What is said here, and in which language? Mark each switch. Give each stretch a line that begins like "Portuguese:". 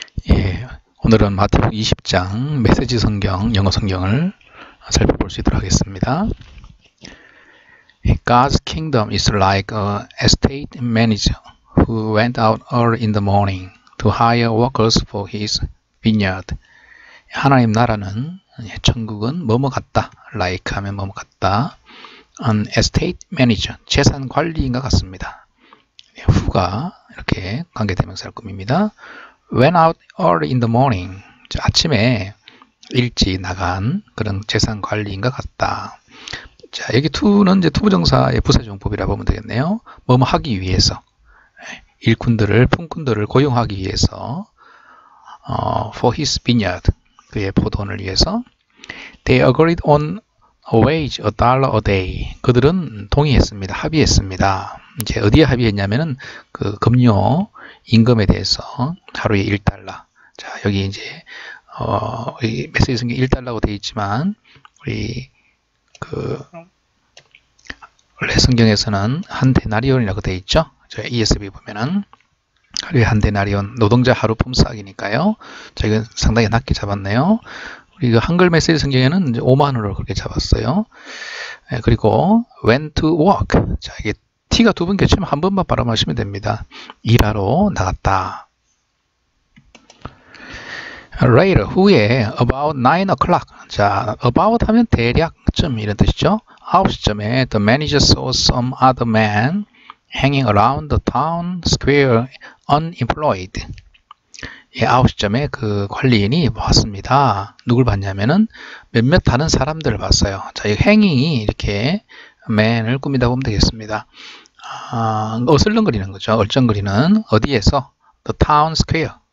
Korean: 예, 오늘은 마태복 20장 메시지 성경 영어 성경을 살펴볼 수 있도록 하겠습니다.
English: God's kingdom is like a estate manager who went out early in the morning to hire workers for his vineyard.
Korean: 하나님 나라는 천국은 뭐뭐 같다. Like 하면 뭐뭐 같다.
English: An estate manager,
Korean: 재산 관리인가 같습니다. Who가 이렇게 관계대명사일 겁니다.
English: Went out early in the morning.
Korean: 아침에 일찍 나간 그런 재산 관리인가 같다. 자, 여기 to는 이제 투부정사의 부사정법이라 보면 되겠네요. 뭐뭐 하기 위해서. 일꾼들을, 품꾼들을 고용하기 위해서.
English: For his vineyard.
Korean: 그의 포도원을 위해서.
English: They agreed on a wage, a dollar a day.
Korean: 그들은 동의했습니다. 합의했습니다. 이제 어디에 합의했냐면은 그 급료 임금에 대해서 하루에 1달러. 자, 여기 이제 이 메시지 성경 1달러라고 되어 있지만 우리 그 원래 성경에서는 한 데나리온이라고 되어 있죠. 저 ESV 보면은 하루에 한 데나리온, 노동자 하루 품삯이니까요. 자, 이건 상당히 낮게 잡았네요. 우리 그 한글 메시지 성경에는 이제 5만 원으로 그렇게 잡았어요. 예, 그리고
English: went to work.
Korean: 자, 이게 T가 두번 겹치면 한 번만 발음하시면 됩니다. 일하러 나갔다. Later, 후에,
English: about 9 o'clock.
Korean: 자, about 하면 대략쯤 이런 뜻이죠. 9시쯤에
English: the manager saw some other man hanging around the town square unemployed.
Korean: 예, 9시쯤에 그 관리인이 봤습니다. 누굴 봤냐면은 몇몇 다른 사람들을 봤어요. 자, 이 행인이 이렇게 man을 꾸민다 보면 되겠습니다. 아, 어슬렁거리는 거죠. 얼쩡거리는 어디에서?
English: The town square.